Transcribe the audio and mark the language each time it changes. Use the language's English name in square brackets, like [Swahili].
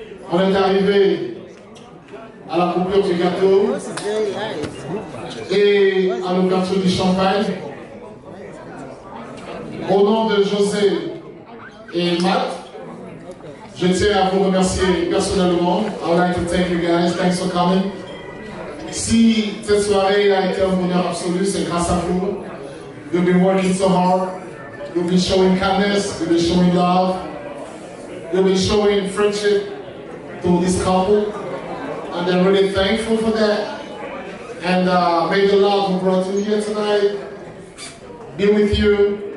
[French] On est arrivé à la coupure du gâteau et à l'ouverture du champagne. Au nom de José et Matt, je tiens à vous remercier personnellement. [English] I would like to thank you guys, thanks for coming. [French] Si cette soirée a été un bonheur absolu, c'est grâce à vous. [English] You've been working so hard. You've been showing kindness, you've been showing love. You've been showing friendship to this couple. And I'm really thankful for that. And may the love who brought you here tonight be with you.